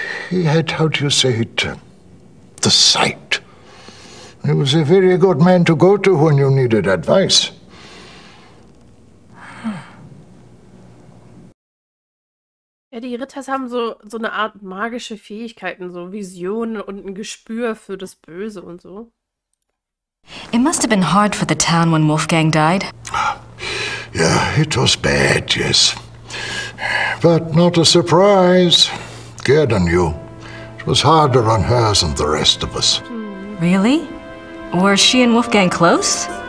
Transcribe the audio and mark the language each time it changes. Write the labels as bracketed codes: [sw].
[en] He had, how do you say it, the sight. He was a very good man to go to when you needed advice. [de] Ja, die Ritters haben so eine Art magische Fähigkeiten, so Visionen und ein Gespür für das Böse und so. [en] It must have been hard for the town when Wolfgang died. Yeah, it was bad, yes. But not a surprise. Gerda knew. It was harder on her than the rest of us. Really? Were she and Wolfgang close?